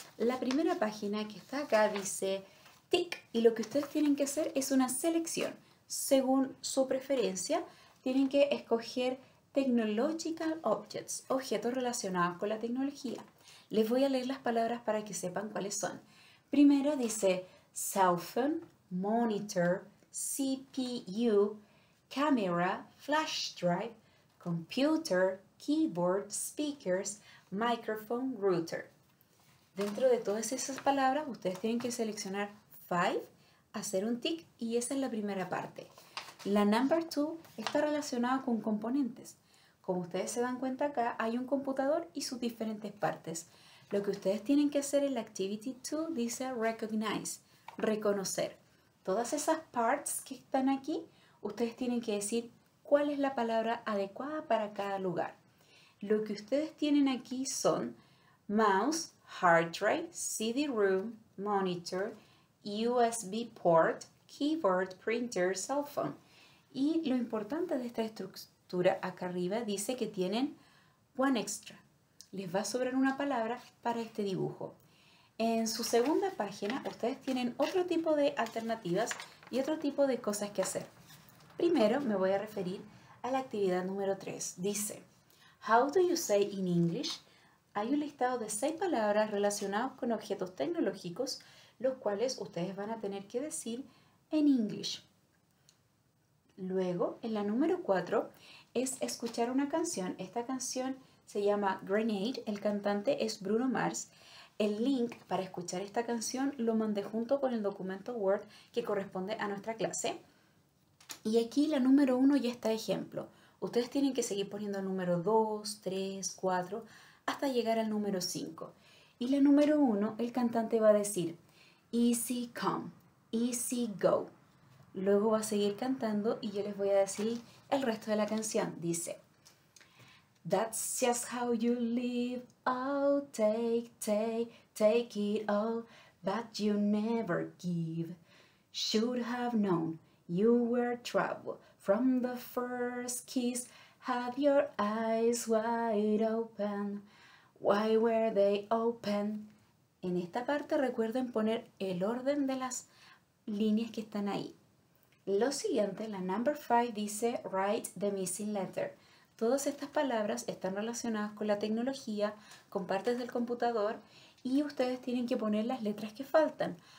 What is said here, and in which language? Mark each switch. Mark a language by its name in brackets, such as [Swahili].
[Spanish] La primera página que está acá dice TIC y lo que ustedes tienen que hacer es una selección. Según su preferencia, tienen que escoger Technological Objects, objetos relacionados con la tecnología. Les voy a leer las palabras para que sepan cuáles son. Primero dice [English] cell phone, monitor, CPU, camera, flash drive, computer, keyboard, speakers, microphone, router. [Spanish] Dentro de todas esas palabras, ustedes tienen que seleccionar 5, hacer un tick y esa es la primera parte. La number 2 está relacionada con componentes. Como ustedes se dan cuenta acá, hay un computador y sus diferentes partes. Lo que ustedes tienen que hacer en la activity 2 dice recognize, reconocer. Todas esas parts que están aquí, ustedes tienen que decir cuál es la palabra adecuada para cada lugar. Lo que ustedes tienen aquí son [English] mouse, hard drive, CD-ROM, monitor, USB port, keyboard, printer, cell phone. [Spanish] Y lo importante de esta estructura acá arriba dice que tienen [English] one extra. [Spanish] Les va a sobrar una palabra para este dibujo. En su segunda página ustedes tienen otro tipo de alternativas y otro tipo de cosas que hacer. Primero me voy a referir a la actividad número 3. [English] Dice, How do you say in English? [Spanish] Hay un listado de 6 palabras relacionadas con objetos tecnológicos, los cuales ustedes van a tener que decir en inglés. Luego, en la número 4, es escuchar una canción. Esta canción se llama Grenade, el cantante es Bruno Mars. El link para escuchar esta canción lo mandé junto con el documento Word que corresponde a nuestra clase. Y aquí la número 1 ya está ejemplo. Ustedes tienen que seguir poniendo el número 2, 3, 4, hasta llegar al número 5. Y la número 1, el cantante va a decir [English] Easy come, easy go. [Spanish] Luego va a seguir cantando y yo les voy a decir el resto de la canción. [English] Dice, That's just how you live, oh, take, take, take it all, but you never give. Should have known you were trouble from the first kiss. Have your eyes wide open. Why were they open? [Spanish] En esta parte recuerden poner el orden de las líneas que están ahí. Lo siguiente, la number 5 dice [English] write the missing letter. [Spanish] Todas estas palabras están relacionadas con la tecnología, con partes del computador y ustedes tienen que poner las letras que faltan.